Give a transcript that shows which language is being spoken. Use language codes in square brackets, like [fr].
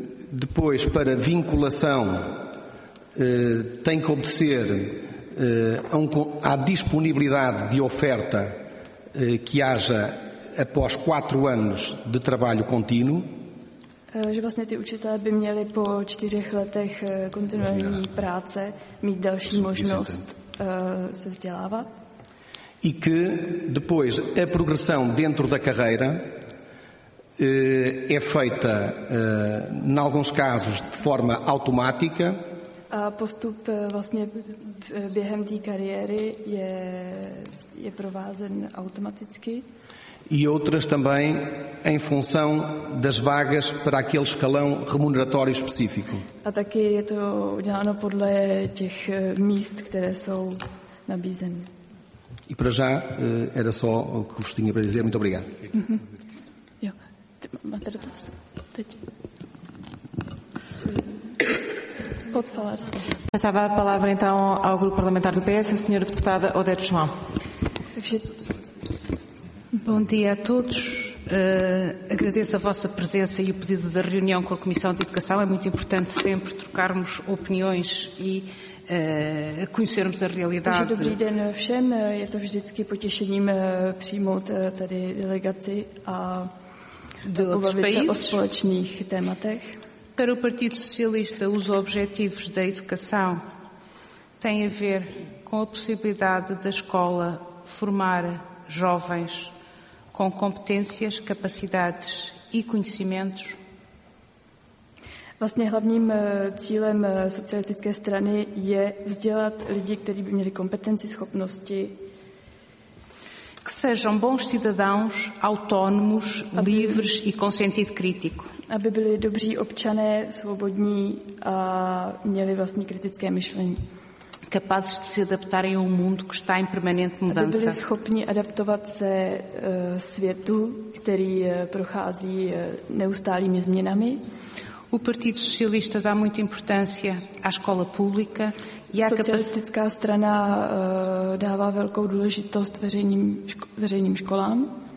[pt] Depois, para vinculação, tem que obedecer à disponibilidade de oferta que haja após 4 anos de trabalho contínuo. [cs] Že vlastně ty učitelé by měli po 4 letech kontinuální práce mít další možnost se vzdělávat. [pt] E que depois a progressão dentro da carreira é feita, em alguns casos, de forma automática. [cs] A postup vlastně během té kariéry je, je provázen automaticky. [pt] E outras também em função das vagas para aquele escalão remuneratório específico. [cs] A taky je to uděláno podle těch míst, které jsou nabízeny. [pt] E para já era só o que vos tinha para dizer. Muito obrigado. [cs] Jo, ty máte dotaz? Teď. [pt] Pode falar. Passava a palavra então ao grupo parlamentar do PS, a senhora deputada Odete João. Bom dia a todos. Agradeço a vossa presença e o pedido da reunião com a Comissão de Educação. É muito importante sempre trocarmos opiniões e conhecermos a realidade. [cs] Takže dobrý den všem. Je to vždycky potěšením přijmout tady delegaci a obavit se o společných tématech. [pt] Para o Partido Socialista, os objetivos da educação têm a ver com a possibilidade da escola formar jovens com competências, capacidades e conhecimentos. [cs] Vlastně hlavním cílem socialistické strany je vzdělat lidi, kteří by měli kompetenci, schopnosti. [pt] Que sejam bons cidadãos, autónomos, livres e com sentido crítico. [cs] Aby byli dobří občané, svobodní a měli vlastní kritické myšlení. [pt] Capazes de se adaptarem a um mundo que está em permanente mudança. [cs] Aby byli schopni adaptovat se světu, který prochází neustálými změnami. [pt] O Partido Socialista dá muita importância à escola pública. [cs] Socialistická strana dává velkou důležitost veřejným školám.